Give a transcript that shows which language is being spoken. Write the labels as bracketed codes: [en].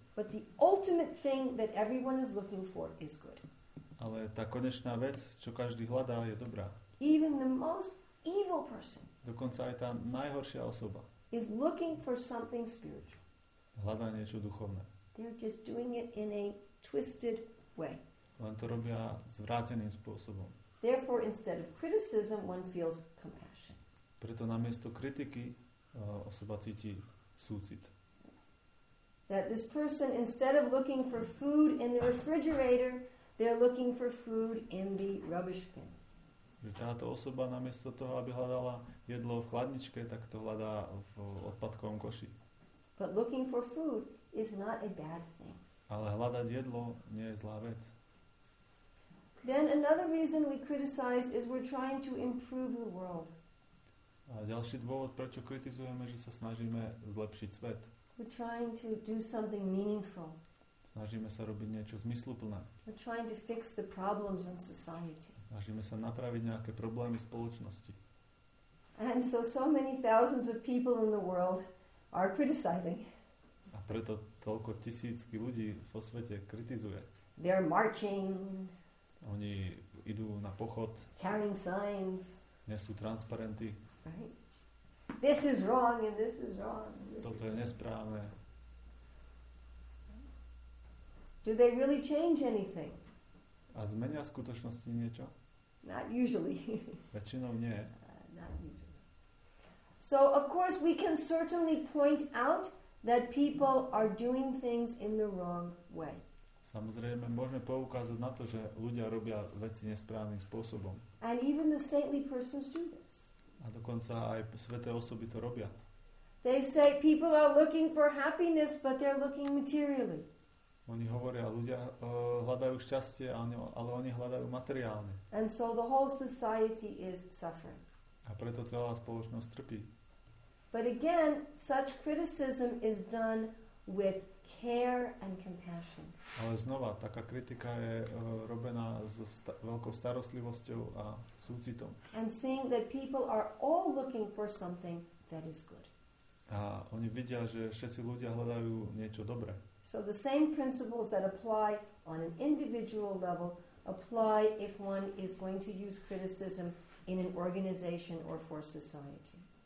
[en] But the ultimate thing that everyone is looking for is good. [sk] Ale tá konečná vec, čo každý hľadá, je dobrá. [en] Even the most evil person. [sk] Dokonca aj tá najhoršia osoba. [en] Is looking for something spiritual. [sk] Hľadá niečo duchovné. [en] They're just doing it in a twisted way. [sk] Len to robia zvráteným spôsobom. [en] Therefore instead of criticism one feels compassion. [sk] Preto namiesto kritiky osoba cíti súcit. [en] That this person instead of looking for food in the refrigerator they're looking for food in the rubbish bin. [sk] Že táto osoba namiesto toho, aby hľadala jedlo v chladničke, tak to hľadá v odpadkovom koši. [en] But looking for food is not a bad thing. [sk] Ale hľadať jedlo nie je zlá vec. [en] Then another reason we criticize is we're trying to improve the world. [sk] A ďalší dôvod, prečo kritizujeme, že sa snažíme zlepšiť svet. [en] We're trying to do something meaningful. [sk] Snažíme sa robiť niečo zmysluplné. [en] We're trying to fix the problems in society. [sk] Snažíme sa napraviť nejaké problémy spoločnosti. [en] And so many thousands of people in the world are criticizing. [sk] A preto toľko tisícky ľudí vo svete kritizuje. [en] They're marching. [sk] Oni idú na pochod. [en] Carrying signs. [sk] Nesú transparenty. [en] Right? This is wrong and this is wrong. [sk] Toto je nesprávne. [en] Do they really change anything? [sk] A zmenia v skutočnosti niečo? [en] Not usually. [sk] Väčšinou nie. [en] Not usually. So of course we can certainly point out that people are doing things in the wrong way. [sk] Samozrejme môžeme poukázať na to, že ľudia robia veci nesprávnym spôsobom. [en] And even the saintly persons do this. [sk] A dokonca aj sväté osoby to robia. [en] They say people are looking for happiness, but they're looking materially. [sk] Oni hovoria, ľudia hľadajú šťastie, ale oni hľadajú materiálne. [en] And so the whole society is suffering. [sk] A preto celá spoločnosť trpí. [en] But again, such criticism is done with care and compassion. [sk] Ale znova, taká kritika je robená s veľkou starostlivosťou a súcitom. [en] And seeing that people are all looking for something that is good. [sk] A oni vidia, že všetci ľudia hľadajú niečo dobré. [en] So the same principles that apply on an individual level apply if one is going to use criticism in an organization or for society.